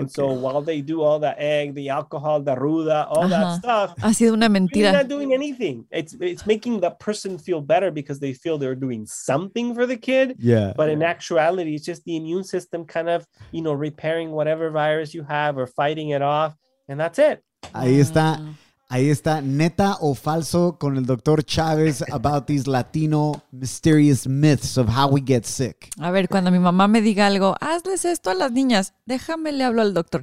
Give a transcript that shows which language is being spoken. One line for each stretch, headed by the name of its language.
English: And so while they do all the egg, the alcohol, the ruda, all that stuff.
Spanish: Ha sido una mentira.
English: They're not doing anything. It's making the person feel better because they feel they're doing something for the kid. Yeah. But in actuality, it's just the immune system kind of, you know, repairing whatever virus you have or fighting it off. And that's it.
Spanish: Ahí está. Ahí está, neta o falso con el Dr.
English: Chavez about these Latino mysterious myths of how we get sick.
Spanish: A ver, cuando mi mamá me diga algo, hazles esto a las niñas, déjame le hablo al Dr.